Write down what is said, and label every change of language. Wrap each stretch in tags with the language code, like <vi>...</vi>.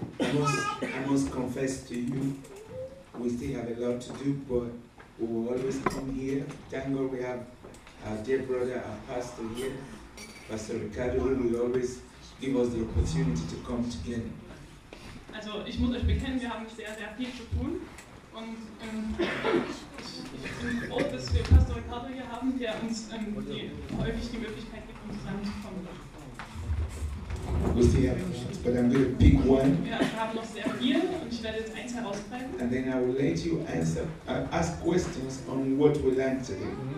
<en>I must confess to you, we still have a lot to do, but we will always come here. Thank God we have our dear brother, our pastor here, Pastor Ricardo, who will always give us the opportunity to come together.</en> <de>Also, ich muss euch bekennen, wir haben sehr, sehr viel zu tun. Und ich bin froh, dass wir Pastor Ricardo hier haben, der uns häufig die Möglichkeit gibt, uns zusammenzukommen.</de> <en>We still have lots, but I'm going to pick one. And then I will let you ask questions on what we learned today.</en>